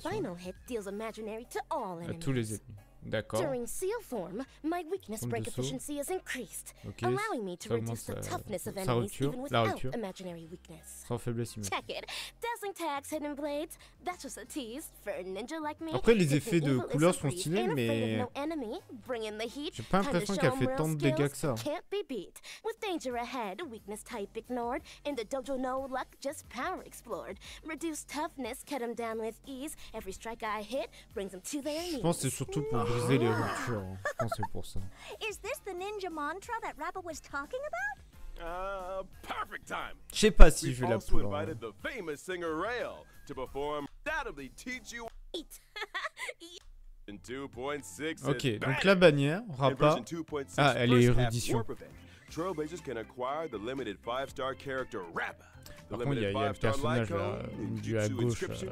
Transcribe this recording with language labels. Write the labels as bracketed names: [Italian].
[English] final hit deals imaginary to all enemies. [French] À tous les ennemis. D'accord. [English] During seal form, my weakness break efficiency is increased, allowing me to reduce the toughness of enemies even without imaginary weakness. [French] Sans faiblesse humaine. [English] Check it. Dazzling tags, hidden blades. That's just a tease for a ninja like me. [French] Après, les effets de couleurs sont stylés, mais j'ai pas l'impression qu'il a fait tant de dégâts que ça. [English] Can't be beat. With danger ahead, weakness type ignored. In the dojo, no luck, just power explored. Reduce toughness, cut him down with ease. Every strike I hit brings him to their knees. [French] Je pense que c'est surtout pour briser les ruptures. Je pense que c'est pour ça. [English] Is this the ninja mantra that Rappa was talking about? Perfect time. [French] Je sais pas si je vais la poule. [English] We've also invited the famous singer Rail to perform. That'll teach you. Eat. In 2.6. [French] Ok, donc la bannière, Rappa. Ah, elle est érudition. [English] Trailblazers can acquire the limited 5-star character Rappa. [French] Par contre, il y a le personnage là, du à gauche.